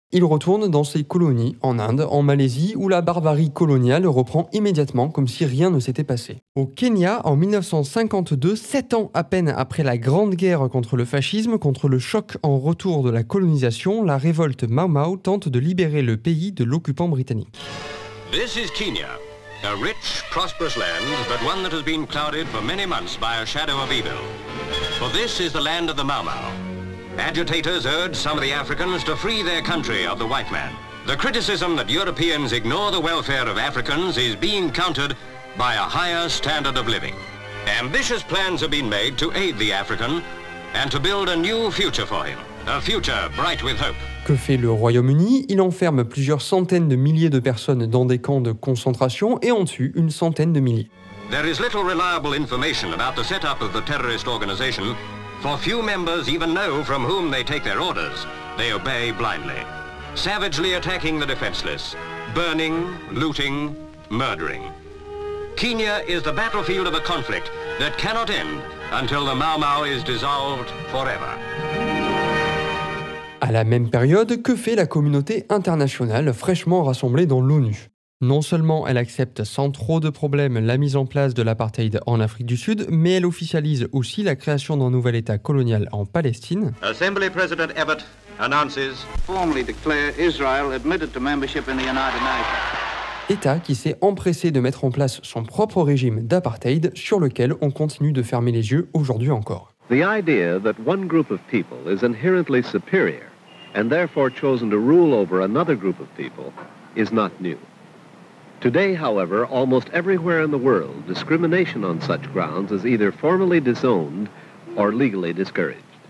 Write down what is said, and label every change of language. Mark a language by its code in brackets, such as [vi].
[fr] Il retourne dans ses colonies en Inde, en Malaisie, où la barbarie coloniale reprend immédiatement comme si rien ne s'était passé. Au Kenya, en 1952, 7 ans à peine après la Grande Guerre contre le fascisme, contre le choc en retour de la colonisation, la révolte Mau Mau tente de libérer le pays de l'occupant britannique. [en] This is Kenya, a rich, prosperous land, but one that has been clouded for many months by a shadow of evil. For this is the land of the Mau Mau. Agitators urge some of the Africans to free their country of the white man. The criticism that Europeans ignore the welfare of Africans is being countered by a higher standard of living. Ambitious plans have been made to aid the African and to build a new future for him, a future bright with hope. [fr] Que fait le Royaume-Uni ? Il enferme plusieurs centaines de milliers de personnes dans des camps de concentration et en tue une centaine de milliers. [en] There is little reliable information about the setup of the terrorist organization. For few members even know from whom they take their orders. They obey blindly, savagely attacking the defenseless, burning, looting, murdering. Kenya is the battlefield of a conflict that cannot end until the Mau Mau is dissolved forever. [fr] À la même période, que fait la communauté internationale fraîchement rassemblée dans l'ONU ? Non seulement elle accepte sans trop de problèmes la mise en place de l'apartheid en Afrique du Sud, mais elle officialise aussi la création d'un nouvel État colonial en Palestine. [en] Assembly President Abbott announces formally declare Israel admitted to membership in the United Nations. [fr] État qui s'est empressé de mettre en place son propre régime d'apartheid sur lequel on continue de fermer les yeux aujourd'hui encore. [en] The idea that one group of people is inherently superior and therefore chosen to rule over another group of people is not new. Today, however, almost everywhere in the world, discrimination on such grounds is either formally disowned or legally discouraged.